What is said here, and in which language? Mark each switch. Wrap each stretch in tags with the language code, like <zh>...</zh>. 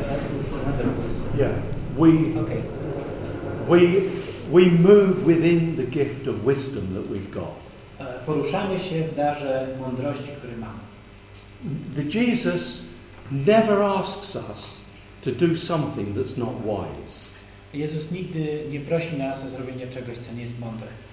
<en>That's another question. Yeah. We. Okay. We move within the gift of wisdom that we've got.</en> <pl>Poruszamy się w darze mądrości, który mamy.</pl> <en>The Jesus never asks us to do something that's not wise.</en> <pl>Jezus nigdy nie prosi nas o zrobienie czegoś, co nie jest mądre.</pl>